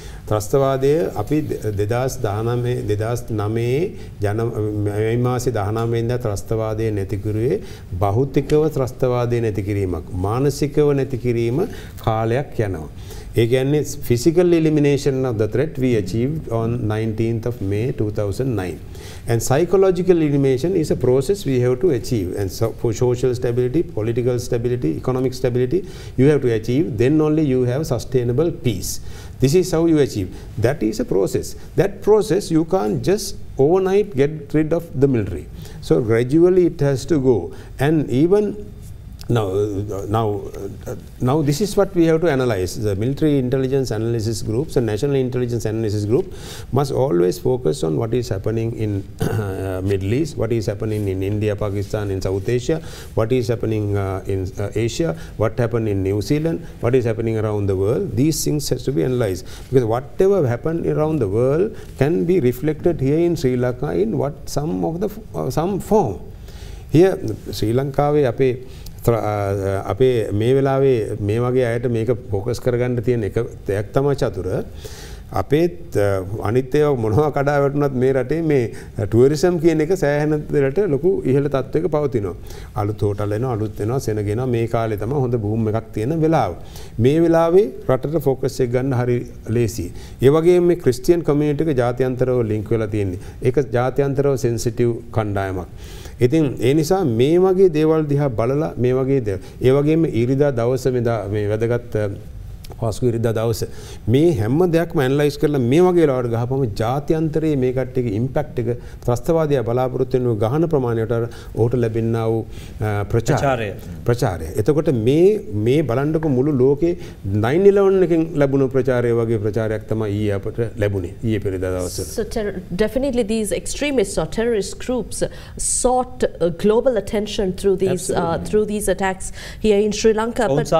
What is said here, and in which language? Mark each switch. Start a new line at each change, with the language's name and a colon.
Sinhala: ත්‍රස්තවාදය අපි 2019 ජන මේ මාසේ 19 වෙනිදා ත්‍රස්තවාදය නැති කරුවේ භෞතිකව ත්‍රස්තවාදය නැති කිරීමක්. මානසිකව නැති කිරීම කාලයක් යනවා. ඒ කියන්නේ
English: Physical elimination of the threat we achieve on 19th of May 2009. And psychological elimination is a process we have to achieve. And so for social stability, political stability, economic stability, you have to achieve. Then only you have sustainable peace. This is how you achieve. That is a process. That process you can't just overnight get rid of the military. So gradually it has to go. And even now this is what we have to analyze. The military intelligence analysis groups and national intelligence analysis group must always focus on what is happening in Middle East, what is happening in India, Pakistan, in South Asia, what is happening in Asia, what happened in New Zealand, what is happening around the world. These things has to be analyzed, because whatever happened around the world can be reflected here in Sri Lanka in what some of the some form here.
Sinhala: Sri Lanka we ape අපේ මේ වෙලාවේ මේ වගේ අයට මේක focus කරගන්න තියෙන එක දෙයක් තමයි චතුර. අපේත් අනිත් ඒවා මොනවා කඩා වැටුණත් මේ රටේ මේ ටුවරිසම් කියන එක සෑහෙන දෙරට ලොකු ඉහළ තත්ත්වයක පවතිනවා. අලුත් හෝටල් එනවා, අලුත් එනවා, සෙනගෙනවා. මේ කාලේ තමයි හොඳ බූම් එකක් තියෙන වෙලාව. මේ වෙලාවේ රටට ෆෝකස් එක ගන්න හරි ලේසියි. ඒ වගේම මේ ක්‍රිස්තියන් කමියුනිටික ජාත්‍යන්තරව ලින්ක් වෙලා තියෙන්නේ. ඒක ජාත්‍යන්තරව සෙන්සිටිව් කණ්ඩායමක්. ඉතින් ඒ නිසා මේ වගේ දේවල් දිහා බලලා මේ වගේ දේ ඒ වගේම ඉරිදා දවස මෙදා මේ වැදගත් පස්කු ඉරිදා දවස මේ හැම දෙයක්ම ඇනලයිස් කරලා මේ වගේ ලවඩ ගහපම ජාත්‍යන්තරයේ මේ කට්ටියගේ ඉම්පැක්ට් එක ත්‍රස්තවාදීය බලාපොරොත්තු වෙන ගහන ප්‍රමාණයට ඔහුට ලැබෙනා වූ ප්‍රචාරය. එතකොට මේ බලන්නකො මුළු ලෝකේ 9/11 එකෙන් ලැබුණ ප්‍රචාරය වගේ ප්‍රචාරයක් තමයි ඊයේ අපට ලැබුණේ ඊයේ පෙරේදා දවසේ.
English: So definitely these extremists or terrorist groups sought global attention through these through these attacks here in Sri Lanka.